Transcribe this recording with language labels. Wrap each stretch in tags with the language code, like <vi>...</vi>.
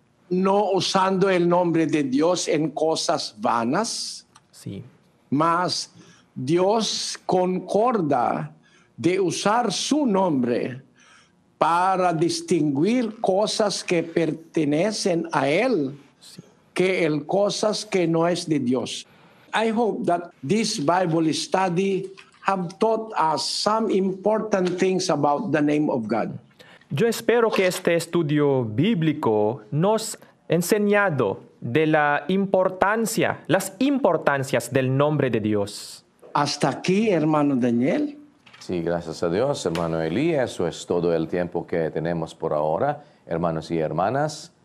<es>No usando el nombre de Dios en cosas vanas. Sí. Mas Dios concorda de usar su nombre para distinguir cosas que pertenecen a Él, que el cosas que no es de Dios.</es> <en>I hope that this Bible study have taught us some important things about the name of God.</en> <es>Yo espero que este estudio bíblico nos enseñado de la importancia, las importancias del nombre de Dios. Hasta aquí, hermano Daniel. Sí, gracias a Dios, hermano Eli. Eso es todo el tiempo que tenemos por ahora, hermanos y hermanas.</es>